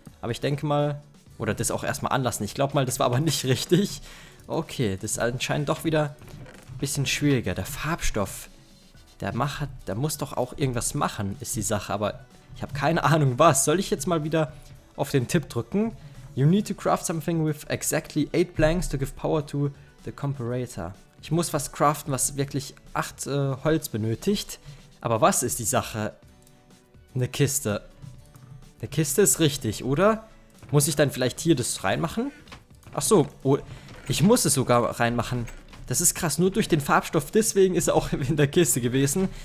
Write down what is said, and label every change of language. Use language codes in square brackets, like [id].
[de] Aber ich denke mal, oder das auch erstmal anlassen. Ich glaube mal, das war aber nicht richtig. Okay, das ist anscheinend doch wieder ein bisschen schwieriger. Der Farbstoff. Der muss doch auch irgendwas machen, ist die Sache. Aber ich habe keine Ahnung, was. Soll ich jetzt mal wieder auf den Tipp drücken? [en] You need to craft something with exactly 8 blanks to give power to the comparator. [de] Ich muss was craften, was wirklich 8 Holz benötigt. Aber was ist die Sache? Eine Kiste. Eine Kiste ist richtig, oder? Muss ich dann vielleicht hier das reinmachen? Ach so, oh, ich muss es sogar reinmachen. Das ist krass, nur durch den Farbstoff, deswegen ist er auch in der Kiste gewesen.